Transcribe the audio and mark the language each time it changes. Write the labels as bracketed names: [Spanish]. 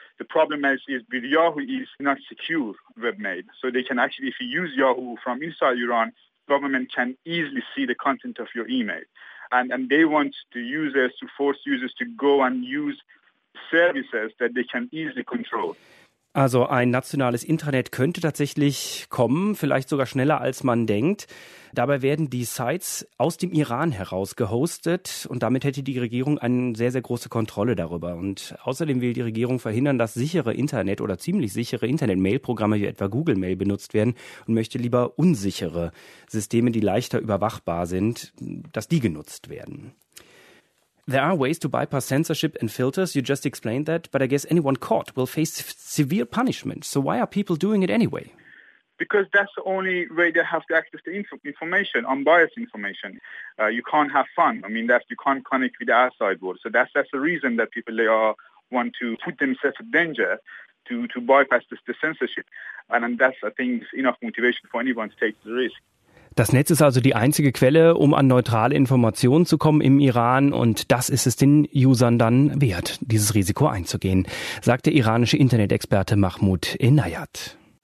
[English] The problem is with Yahoo is not secure web-made. So they can actually, if you use Yahoo from inside Iran, government can easily see the content of your email. And they want the users to force users to go and use services that they can easily control. [German] Also ein nationales Intranet könnte tatsächlich kommen, vielleicht sogar schneller als man denkt. Dabei werden die Sites aus dem Iran heraus gehostet und damit hätte die Regierung eine sehr, sehr große Kontrolle darüber. Und außerdem will die Regierung verhindern, dass sichere Internet oder ziemlich sichere Internet-Mail-Programme wie etwa Google Mail benutzt werden und möchte lieber unsichere Systeme, die leichter überwachbar sind, dass die genutzt werden. [English] There are ways to bypass censorship and filters. You just explained that. But I guess anyone caught will face severe punishment. So why are people doing it anyway? Because that's the only way they have to access the information, unbiased information. You can't have fun. I mean, that's, you can't connect with the outside world. So that's the reason that people want to put themselves in danger to bypass the censorship. And that's, I think, enough motivation for anyone to take the risk. [German] Das Netz ist also die einzige Quelle, um an neutrale Informationen zu kommen im Iran und das ist es den Usern dann wert, dieses Risiko einzugehen, sagt der iranische Internet-Experte Mahmoud Enayat.